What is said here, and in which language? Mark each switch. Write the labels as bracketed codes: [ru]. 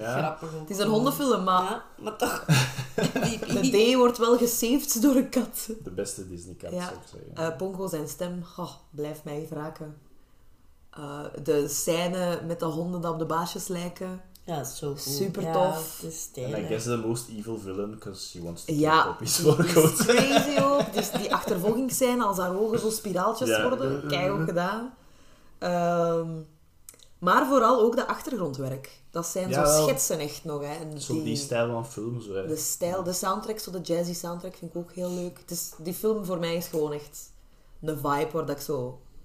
[nl] Grappig. Het is een hondenfilm, maar... Ja, maar toch. De D wordt wel gesaved door een kat. De beste Disney-kat, ja. Zou ik zeggen. Pongo, zijn stem. Oh, blijft mij even raken. De scène met de honden dat op de baasjes lijken. Ja, dat is zo cool. Super tof. En ja, [en] I guess the most evil villain, because she wants to kill [nl] ja, [en] puppies for a goat. [nl] Ja, die is crazy ook. Dus die achtervolgingsscène, als haar ogen zo spiraaltjes worden. Keigoed gedaan. Maar vooral ook dat achtergrondwerk. Dat zijn zo schetsen echt nog. Hè. Zo die stijl van film. Zo, de stijl, de soundtrack, zo de jazzy soundtrack, vind ik ook heel leuk. Dus die film voor mij is gewoon echt een vibe waar ik zo...